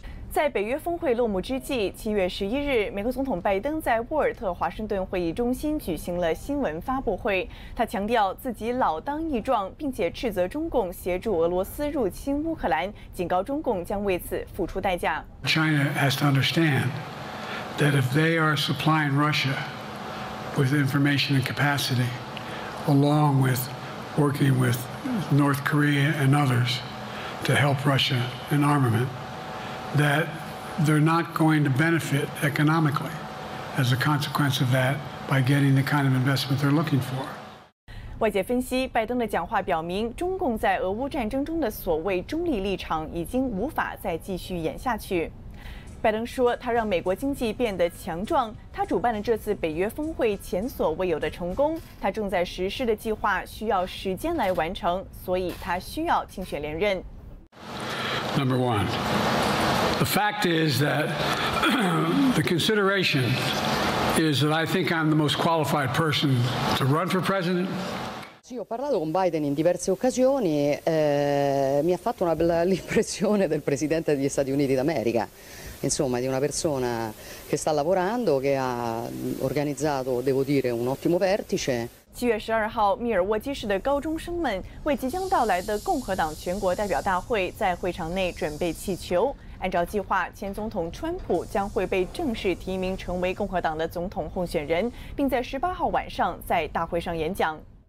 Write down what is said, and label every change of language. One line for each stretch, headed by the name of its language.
Chinese: 在北约峰会落幕之际，7月11日，美国总统拜登在沃尔特华盛顿会议中心举行了新闻发布会。他强调自己老当益壮，并且斥责中共协助俄罗斯入侵乌克兰，警告中共将为此付出代价。
English: China has to understand that if they are supplying Russia with information and capacity, along with working with North Korea and others to help Russia in armament,that they're not going to benefit economically as a consequence of that by getting the kind of investment they're looking for.
Chinese: 外界分析，拜登的讲话表明，中共在俄乌战争中的所谓中立立场已经无法再继续演下去。拜登说，他让美国经济变得强壮，他主办的这次北约峰会前所未有的成功，他正在实施的计划需要时间来完成，所以他需要竞选连任。
English: Number one. The fact is that the consideration is that I think I'm the most qualified person to run for president.
Italian: Sì, ho parlato con Biden in diverse occasioni. Mi ha fatto una bella impressione del presidente degli Stati Uniti d'America. Insomma, di una persona che sta lavorando, che ha organizzato, devo dire, un ottimo vertice.
Chinese: 七月十二号，密尔沃基市的高中生们为即将到来的共和党全国代表大会在会场内准备气球。按照计划，前总统川普将会被正式提名成为共和党的总统候选人，并在十八号晚上在大会上演讲。